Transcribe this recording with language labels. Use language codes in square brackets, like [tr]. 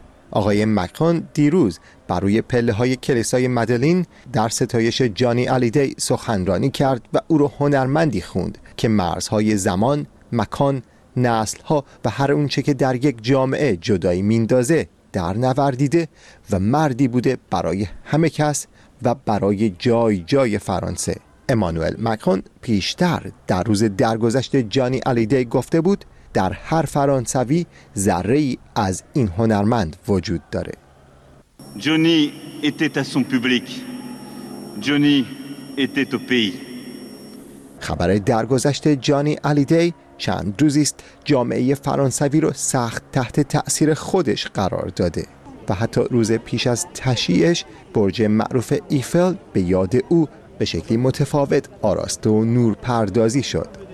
[fa] آقای مکرون دیروز بر روی پله‌های کلیسای مدلین در ستایش جانی الیدی سخنرانی کرد و او را هنرمندی خواند که مرزهای زمان، مکان، نسل‌ها و هر اون چه که در یک جامعه جدایی میندازه در نوردیده و مردی بوده برای همه کس و برای جای جای فرانسه. امانوئل مکرون پیشتر در روز درگذشت جانی الیدی گفته بود در هر فرانسوی ذره ای از این هنرمند وجود داره. [fr] جانی était à son public. جانی était au pays. [fa] خبر درگذشت جانی الیدی چند روزی است جامعه فرانسوی رو سخت تحت تأثیر خودش قرار داده و حتی روز پیش از تشییعش برج معروف ایفل به یاد او به شکلی متفاوت آراسته و نورپردازی شد.